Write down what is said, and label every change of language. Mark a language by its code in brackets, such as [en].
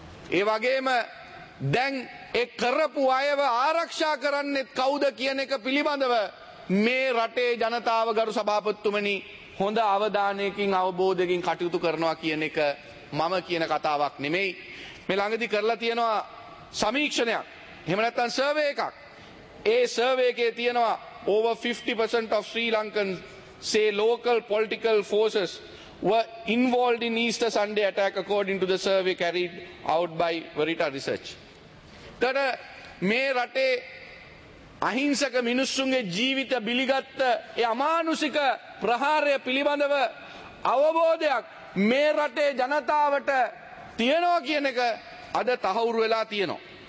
[si] ඒ වගේම දැන් ඒ කරපු අයව ආරක්ෂා කරන්නෙත් කවුද කියන එක පිළිබඳව මේ රටේ ජනතාව ගරු සභාපතිතුමනි හොඳ අවධානයකින් අවබෝධයකින් කටයුතු කරනවා කියන එක මම කියන කතාවක් නෙමෙයි. මේ ළඟදී කරලා තියෙනවා සමීක්ෂණයක්, එහෙම නැත්නම් සර්වේ එකක්. ඒ සර්වේ එකේ තියෙනවා [en] over 50% of Sri Lankans say local political forces were involved in Easter Sunday attack according to the survey carried out by Verita Research. [si] තන මේ රටේ අහිංසක මිනිස්සුන්ගේ ජීවිත බිලිගත්ත ඒ අමානුෂික ප්‍රහාරය පිළිබඳව අවබෝධයක් මේ රටේ ජනතාවට තියෙනවා කියන එක අද තහවුරු වෙලා තියෙනවා.